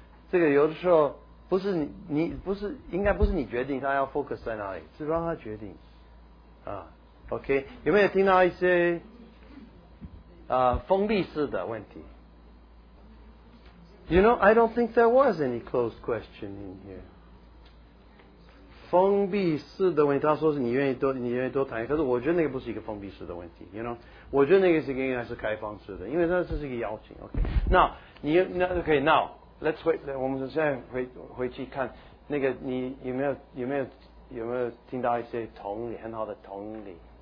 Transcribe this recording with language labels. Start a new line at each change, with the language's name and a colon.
Chinese: 这个有的时候不是应该不是你决定他要 focus 在哪里，是让他决定。 OK， 有没有听到一些封闭式的问题？
English: You know, I don't think there was any closed question in here.
Chinese: 封闭式的问题，他说是你愿意多谈，可是我觉得那个不是一个封闭式的问题。
English: You know,
Chinese: 我觉得那个是应该是开放式的，因为这是一个邀请。
English: Okay, now
Chinese: 你那
English: okay now let's wait.
Chinese: 我们现在回去看那个你有没有听到一些同理，很好的同理。